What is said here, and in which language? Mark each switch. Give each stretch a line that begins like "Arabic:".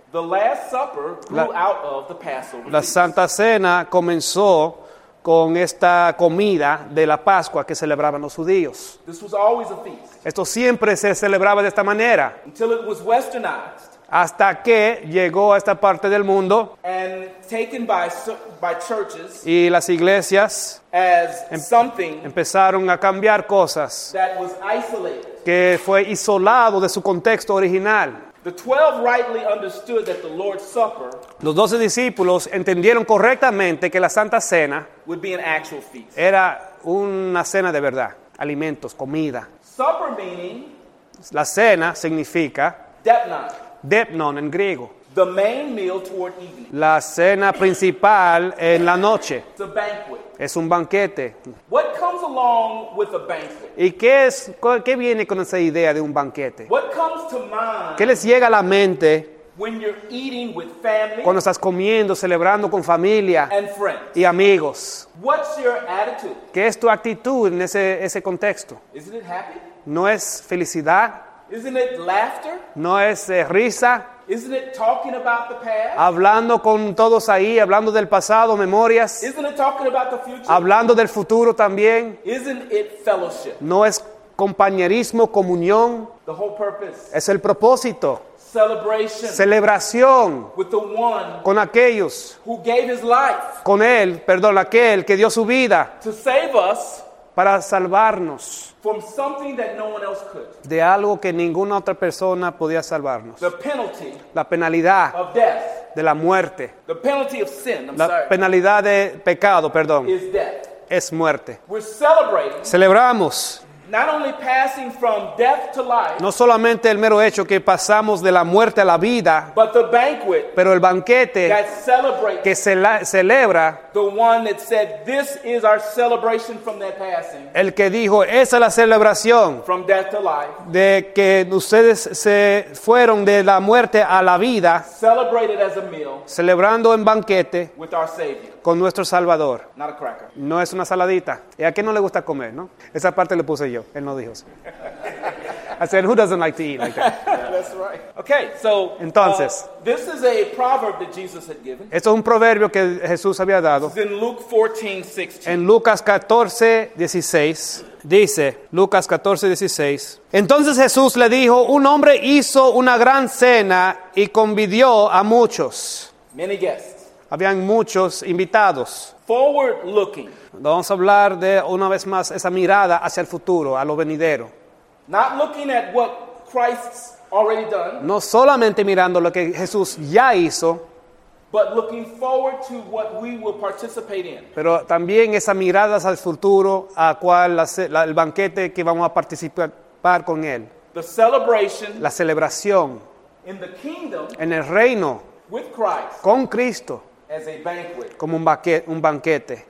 English: The Last Supper grew out of the Passover.
Spanish: La Santa Cena comenzó con esta comida de la Pascua que celebraban los judíos.
English: This was always a feast.
Spanish: Esto siempre se celebraba de esta manera.
English: Until it was westernized.
Spanish: Hasta que llegó a esta parte del mundo
English: and taken by churches,
Spanish: y las iglesias
English: as something
Spanish: empezaron a cambiar cosas
English: that was isolated.
Spanish: Que fue isolado de su contexto original.
English: The 12 rightly understood that the Lord's Supper,
Spanish: los 12 discípulos entendieron correctamente que la Santa Cena
English: would be an actual feast.
Spanish: Era una cena de verdad, alimentos, comida.
English: Supper meaning,
Spanish: la cena significa
English: depnon.
Spanish: Depnon en griego.
English: The main meal toward evening.
Spanish: La cena principal en la noche.
English: It's a banquet.
Spanish: Es un banquete.
English: What comes along with a banquet?
Spanish: ¿Y qué viene con esa idea de un banquete?
English: What comes to mind?
Spanish: ¿Qué les llega a la mente?
English: When you're eating with family.
Spanish: Cuando estás comiendo, celebrando con familia.
English: And friends.
Spanish: Y amigos.
English: What's your attitude?
Spanish: ¿Qué es tu actitud en ese contexto?
English: Isn't it happy?
Spanish: ¿No es felicidad?
English: Isn't it laughter?
Spanish: ¿No es risa?
English: Isn't it talking about the past?
Spanish: Hablando con todos ahí, hablando del pasado, memorias.
English: Isn't it talking about the future?
Spanish: Hablando del futuro también.
English: Isn't it fellowship?
Spanish: ¿No es compañerismo, comunión?
English: The whole purpose.
Spanish: Es el propósito.
English: Celebration.
Spanish: Celebración.
English: With the one
Spanish: con aquellos.
English: Who gave his life.
Spanish: Con él, perdón, aquel que dio su vida.
English: To save us.
Spanish: Para salvarnos
English: from something that no one else could.
Spanish: De algo que ninguna otra persona podía salvarnos.
English: The penalty,
Spanish: la penalidad
English: of death,
Spanish: de la muerte.
English: The penalty of sin, I'm
Spanish: la
English: sorry,
Spanish: penalidad de pecado, perdón,
English: is death.
Spanish: Es muerte.
English: We're celebrating.
Spanish: Celebramos
English: Not only passing from death to life,
Spanish: no solamente el mero hecho que pasamos de la muerte a la vida,
English: but the banquet,
Spanish: pero el banquete
English: that celebrates,
Spanish: que celebra,
English: the one that said, "This is our celebration from that passing."
Spanish: El que dijo, esa es la celebración
English: from death to life,
Spanish: de que ustedes se fueron de la muerte a la vida,
English: celebrated as a meal,
Spanish: celebrando en banquete
English: with our Savior.
Spanish: Con nuestro Salvador.
English: Not a cracker.
Spanish: No es una saladita. ¿Y a quién no le gusta comer, no? Esa parte le puse yo. Él no dijo eso.
English: I said, who doesn't like to eat like that? That's right. Okay, so.
Spanish: Entonces.
English: This is a proverb that Jesus had given.
Spanish: Esto es un proverbio que Jesús había dado.
English: It's in Luke 14, 16.
Spanish: En Lucas 14, 16. Dice, Lucas 14, 16. Entonces Jesús le dijo, un hombre hizo una gran cena y convidó a muchos.
English: Many guests.
Spanish: Habían muchos invitados.
English: Forward looking.
Spanish: Vamos a hablar de una vez más esa mirada hacia el futuro, a lo venidero.
English: Not looking at what Christ's already done.
Spanish: No solamente mirando lo que Jesús ya hizo.
English: But looking forward to what we will participate in.
Spanish: Pero también esa mirada hacia el futuro, a cual el banquete que vamos a participar con él.
English: The celebration.
Spanish: La celebración.
English: In the kingdom.
Spanish: En el reino.
English: With Christ,
Spanish: con Cristo,
English: as a banquet,
Spanish: como un banquete,